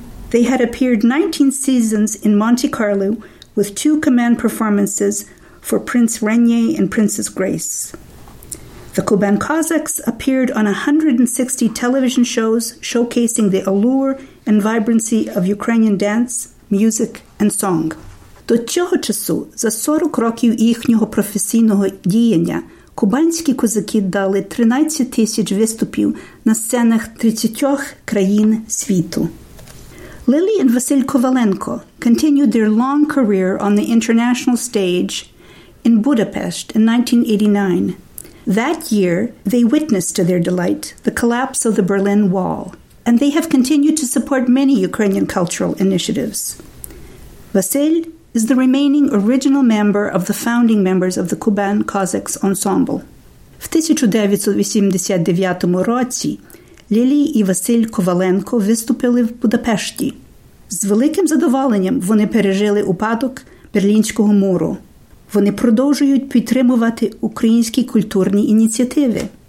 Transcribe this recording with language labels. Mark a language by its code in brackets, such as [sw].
[en] They had appeared 19 seasons in Monte Carlo with two command performances for Prince Renier and Princess Grace. The Kuban Kozaks appeared on 160 television shows showcasing the allure and vibrancy of Ukrainian dance, music, and song. [uk] До цього часу, за 40 років їхнього професійного діяння, кубанські козаки дали 13 тисяч виступів на сценах 30 країн світу. [en] Lily and Vasil Kovalenko continued their long career on the international stage in Budapest in 1989. That year, they witnessed, to their delight, the collapse of the Berlin Wall, and they have continued to support many Ukrainian cultural initiatives. Vasil is the remaining original member of the founding members of the Kuban Kozaks Ensemble. [uk] В 1989 році Лілі і Василь Коваленко виступили в Будапешті. З великим задоволенням вони пережили упадок Берлінського муру. Вони продовжують підтримувати українські культурні ініціативи.